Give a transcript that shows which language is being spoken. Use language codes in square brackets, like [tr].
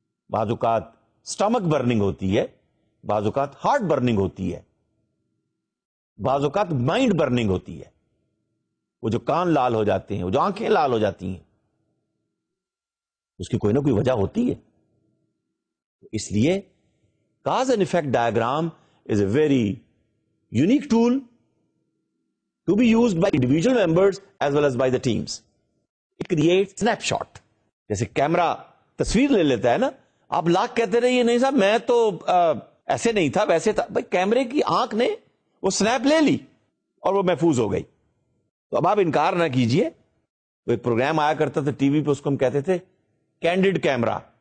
[ur] بعض اوقات stomach burning ہوتی ہے, بعض اوقات ہارٹ برننگ ہوتی ہے, بعض اوقات مائنڈ برننگ ہوتی ہے. وہ جو کان لال ہو جاتے ہیں, وہ جو آنکھیں لال ہو جاتی ہیں, اس کی کوئی نہ کوئی وجہ ہوتی ہے. اس لیے [en] Cause and effect diagram is a very unique tool to be used by individual members as well as by the teams. It create snapshot, [ur] جیسے کیمرہ تصویر لے لیتا ہے نا. آپ لاکھ کہتے رہیے, نہیں صاحب میں تو ایسے نہیں تھا ویسے تھا, بھائی کیمرے کی آنکھ نے وہ سنیپ لے لی اور وہ محفوظ ہو گئی. تو اب آپ انکار نہ کیجئے. وہ ایک پروگرام آیا کرتا تھا ٹی وی پہ, اس کو ہم کہتے تھے کینڈیڈ کیمرہ.